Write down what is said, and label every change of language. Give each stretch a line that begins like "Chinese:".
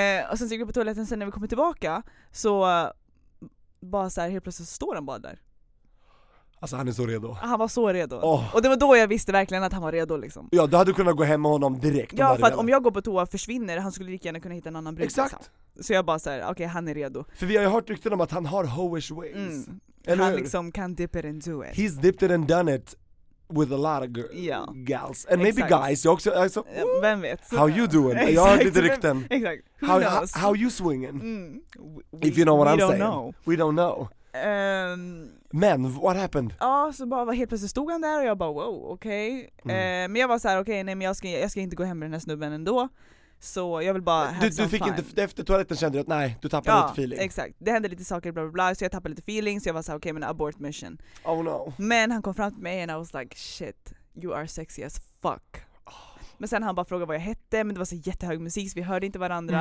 Swedish: Och sen så gick vi på toaletten, sen när vi kom tillbaka så bara så här, helt plötsligt står han bara där. Alltså han är så redo. Han var så redo. Oh. Och det var då jag visste verkligen att han var redo liksom. Ja, då hade du kunnat gå hem med honom direkt. Ja, för att om jag går på toa försvinner, han skulle lika gärna kunna hitta en annan brud. Exakt. Liksom. Så jag bara säger, okej, han är redo. För vi har ju hört rykten om att han har hoish ways. Mm. Eller han liksom kan
English: dip it and do it. He's dipped it and done it with a lot of girls. Yeah. Gals. And
Swedish: exakt.
English: Maybe guys.
Swedish: Jag också, alltså, vem vet.
English: How you doing?
Swedish: Exakt. Jag har lite rykten. Exakt.
English: How you swinging? Mm. If you know what I'm saying. We don't know. We don't know.
Swedish: Men,
English: what happened?
Swedish: Ja, så bara helt plötsligt stod han där och jag bara, wow, okej. Men jag var så här, okej, nej men jag ska inte gå hem med den här snubben ändå. Så jag vill bara Du fick fine. Inte, efter toaletten kände du att nej, du tappade lite feeling. Ja, exakt. Det hände lite saker, bla bla bla, så jag tappade lite feeling. Så jag var så här, okej, men
English: abort mission.
Swedish: Oh no. Men han kom fram till mig
English: and I was like, shit, you are sexy as fuck.
Swedish: Men sen han bara frågade vad jag hette, men det var så jättehög musik så vi hörde inte varandra.